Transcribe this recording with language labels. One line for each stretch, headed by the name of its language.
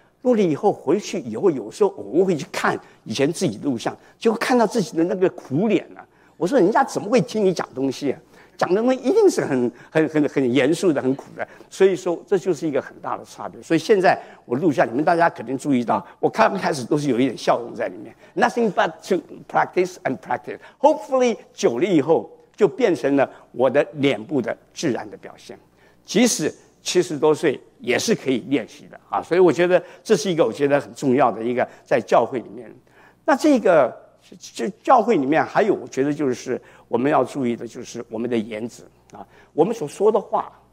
Chinese: 录了以后回去以后，有时候我会去看以前自己录像，就看到自己的那个苦脸了。我说人家怎么会听你讲东西啊，讲的东西一定是很严肃的，很苦的。所以说这就是一个很大的差别。所以现在我录像，你们大家肯定注意到我刚开始都是有一点笑容在里面。
English: Nothing but to practice and practice.
Chinese: Hopefully 久了以后就变成了我的脸部的自然的表现，即使70多岁也是可以练习的啊。所以我觉得这是一个我觉得很重要的一个在教会里面。那这个教会里面还有我觉得就是我们要注意的，就是我们的言辞啊，我们所说的话。